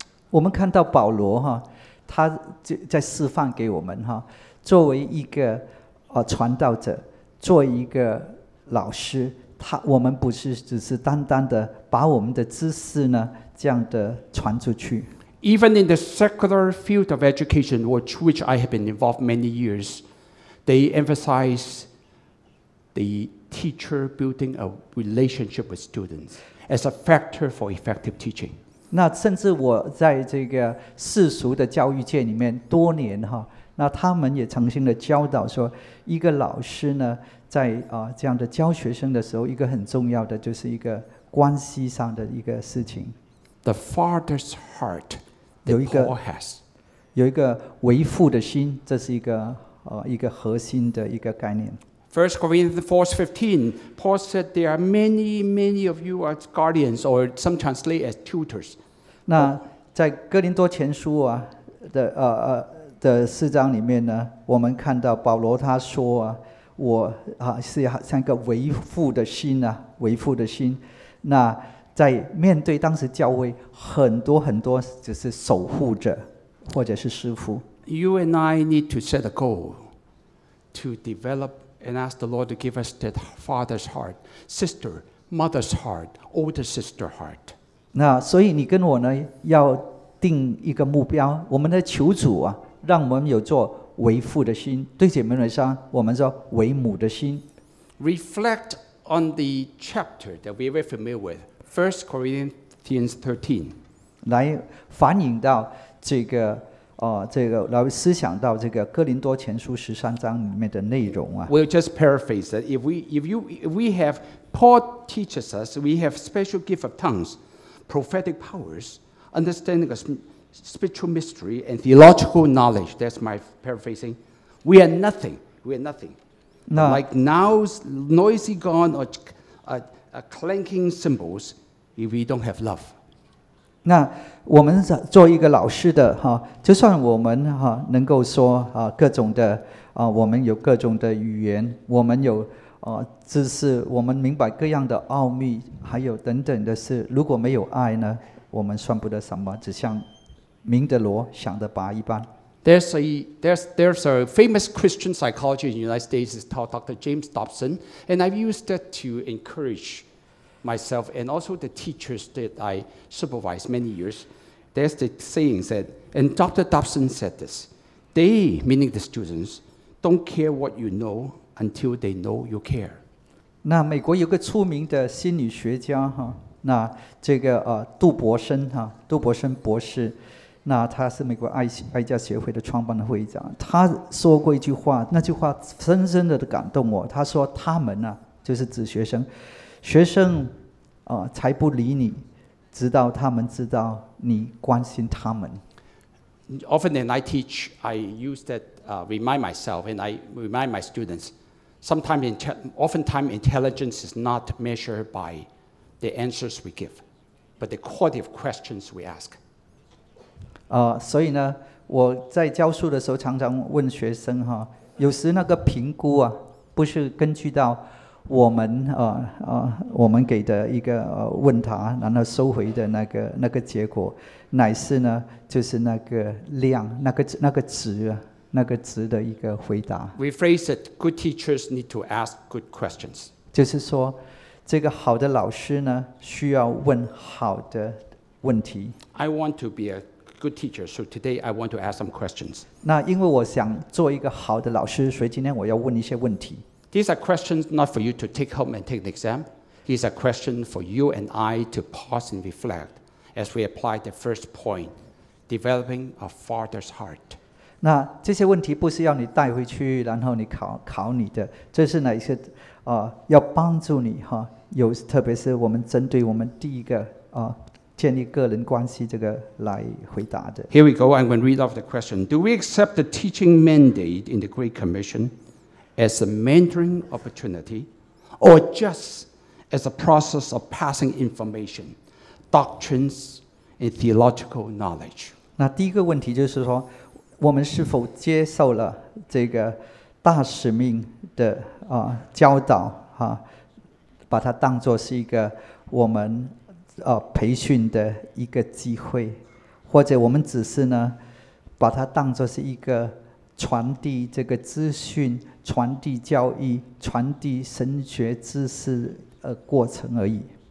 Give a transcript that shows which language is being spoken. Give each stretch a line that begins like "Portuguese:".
Chinese: 我们看到保罗他在示范给我们作为一个传道者，作为一个老师，我们不是只是单单的把我们的知识呢这样的传出去。
English: Even in the secular field of education, which I have been involved many years, they emphasize the teacher building a relationship with students as a factor for effective teaching.
Chinese: 那甚至我在这个世俗的教育界里面多年那他们也曾经的教导说，一个老师呢，在这样的教学生的时候，一个很重要的就是一个关系上的一个事情。
English: The father's heart that Paul has.
Chinese: 有一个为父的心，这是一个核心的一个概念。
English: First Corinthians 4:15, Paul said there are many, many of you as guardians, or some translate as tutors.
Chinese: 那在哥林多前书啊的的四章里面呢，我们看到保罗他说啊，我啊是像一个为父的心啊，为父的心。那在面对当时教会很多很多就是守护者或者是师父。
English: You and I need to set a goal to develop. And ask the Lord to give us that father's heart, sister, mother's heart, older sister heart.
Chinese: 那所以你跟我呢，要定一个目标。我们的求主啊，让我们有做为父的心。对姐妹们说，我们说为母的心。
English: Reflect on the chapter that we're very familiar with, 1 Corinthians 13.
Chinese: 来反映到这个这个来思想到这个哥林多前书十三章里面的内容啊。
English: We'll just paraphrase that. If we have Paul teaches us, we have special gift of tongues, prophetic powers, understanding of spiritual mystery and theological knowledge. That's my paraphrasing. We are nothing. We are nothing. Like now's noisy gong or a clanking cymbals, if we don't have love.
Chinese: 那我们做一个老师的哈，就算我们哈能够说各种的我们有各种的语言，我们有知识，我们明白各样的奥秘，还有等等的事，如果没有爱呢，我们算不得什么，只像明的锣，响的拔一般。
English: There's a famous Christian psychologist in the United States, is called Dr. James Dobson, and I've used that to encourage myself and also the teachers that I supervised many years. There's the saying that, and Dr. Dobson said this, they, meaning the students, don't care what you know until they know you care.
Chinese: 那美国有个出名的心理学家哈，那这个杜伯森哈，杜伯森博士，那他是美国爱家协会的创办的会长，他说过一句话，那句话深深的感动我。他说他们呢，就是指学生，学生才不理你，直到他们知道你关心他们。
English: Often when I teach, I use that remind myself and I remind my students. Sometimes, oftentimes, intelligence is not measured by the answers we give, but the quality of questions we ask.
Chinese: 所以呢，我在教书的时候常常问学生哈，有时那个评估啊，不是根据到我们给的一个问答，然后收回的那个结果，乃是呢，就是那个量，那个值啊。那个值的一个回答。
English: We phrase it, good teachers need to ask good questions.
Chinese: 就是说，这个好的老师呢，需要问好的问题。
English: I want to be a good teacher, so today I want to ask some questions.
Chinese: 那因为我想做一个好的老师，所以今天我要问一些问题。
English: These are questions not for you to take home and take an exam. These are questions for you and I to pause and reflect as we apply the first point, developing a father's heart.
Chinese: 那这些问题不是要你带回去然后你考你的，这是哪一些要帮助你哈，有特别是我们针对我们第一个建立个人关系这个来回答的。
English: Here we go, I'm going to read off the question. Do we accept the teaching mandate in the Great Commission as a mentoring opportunity or just as a process of passing information, doctrines and theological knowledge?
Chinese: 那第一个问题就是说我们是否接受了这个大使命的教导哈，把它当作是一个我们培训的一个机会，或者我们只是呢把它当作是一个传递这个资讯、传递教义、传递神学知识过程而已。